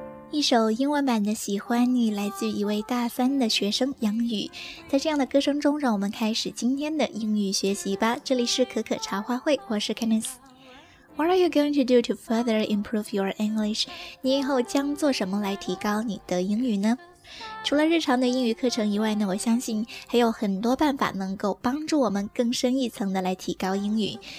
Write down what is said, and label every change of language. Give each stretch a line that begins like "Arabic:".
Chinese: 一首英文版的《喜欢你》，来自于一位大三的学生杨宇。在这样的歌声中，让我们开始今天的英语学习吧。这里是可可茶话会，我是 Kenneth。
English: What are you going to do to further improve your English?
Chinese: 你以后将做什么来提高你的英语呢？除了日常的英语课程以外呢，我相信还有很多办法能够帮助我们更深一层的来提高英语。